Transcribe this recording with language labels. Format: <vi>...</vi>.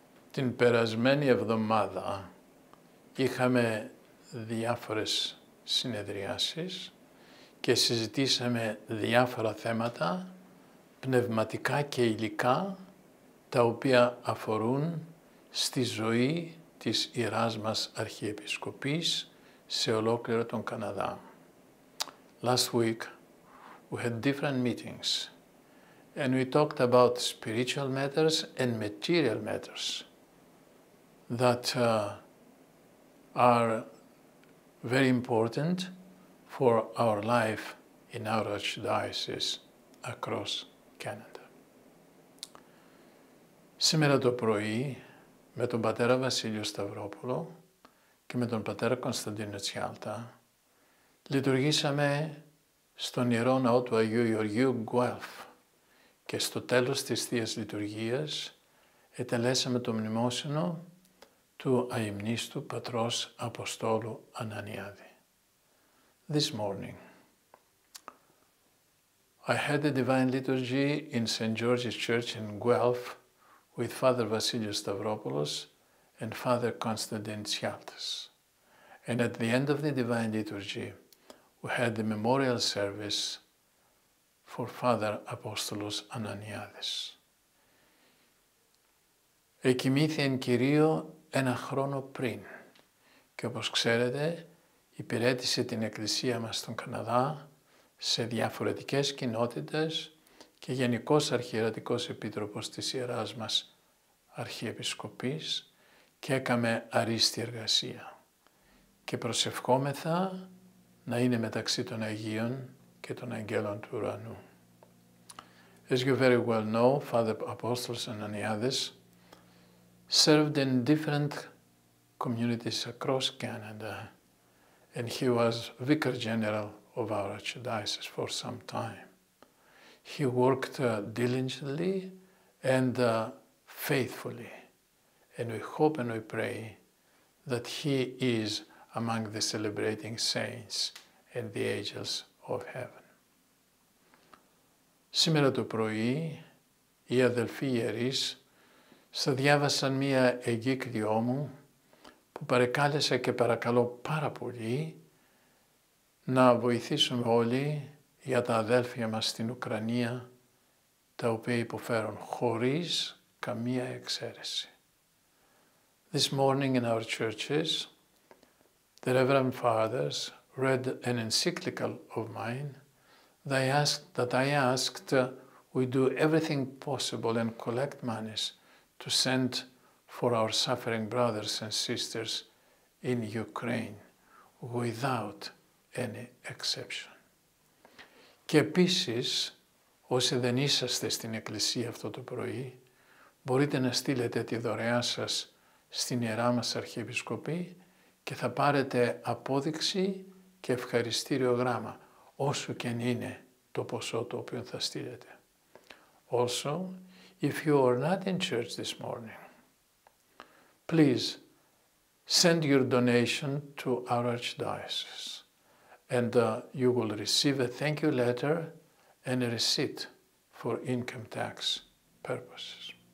<el>Την περασμένη εβδομάδα είχαμε διάφορες συνεδριάσεις και συζητήσαμε διάφορα θέματα, πνευματικά και υλικά, τα οποία αφορούν στη ζωή της Ιεράς μας Αρχιεπισκοπής σε ολόκληρο τον Καναδά.</el> <en>Last week, we had different meetings and we talked about spiritual matters and material matters that are very important for our life in our archdiocese across Canada.</en> <el>Σήμερα το πρωί, με τον πατέρα Βασίλειο Σταυρόπουλο και με τον πατέρα Κωνσταντίνο Τσιάλτα, λειτουργήσαμε στον Ιερό Ναό του Αγίου Γεωργίου Γκουέλφ και στο τέλος της Θείας Λειτουργίας ετελέσαμε το μνημόσυνο του αημνήστου Πατρός Αποστόλου Ανανιάδη.</el> <en>This morning, I had a Divine Liturgy in St. George's Church in Guelph with Father Vasilios Stavropoulos and Father Konstantin Tsialtas. And at the end of the Divine Liturgy, we had the memorial service for Father Apostolos Ananiades.</en> <el>Εκοιμήθη εν Κυρίω ένα χρόνο πριν. Και όπως ξέρετε, υπηρέτησε την Εκκλησία μας στον Καναδά σε διαφορετικές κοινότητες και Γενικός Αρχιερατικός Επίτροπος της Ιεράς μας Αρχιεπισκοπής και έκαμε αρίστη εργασία. Και προσευχόμεθα να είναι μεταξύ των Αγίων και των Αγγέλων του Ουρανού.</el> <en>As you very well know, Father Apostolos Ananiades served in different communities across Canada and he was Vicar General of our Archdiocese for some time. He worked diligently and faithfully, and we hope and we pray that he is among the celebrating saints and the angels of heaven.</en> <el>Σήμερα το πρωί, οι αδελφοί ιερείς θα διάβασαν μία εγκύκλειό μου που παρεκάλεσα και παρακαλώ πάρα πολύ να βοηθήσουμε όλοι για τα αδέλφια μας στην Ουκρανία, τα οποία υποφέρουν χωρίς καμία εξαίρεση.</el> <en>This morning in our churches, the Reverend Fathers read an encyclical of mine that I asked we do everything possible and collect monies to send for our suffering brothers and sisters in Ukraine without any exception.</en> <el>Και επίσης, όσοι δεν είσαστε στην Εκκλησία αυτό το πρωί, μπορείτε να στείλετε τη δωρεά σας στην Ιερά μας Αρχιεπισκοπή και θα πάρετε απόδειξη και ευχαριστήριο γράμμα, όσο και αν είναι το ποσό το οποίο θα στείλετε.</el> <en>Also, if you are not in church this morning, please send your donation to our Archdiocese and you will receive a thank you letter and a receipt for income tax purposes.</en>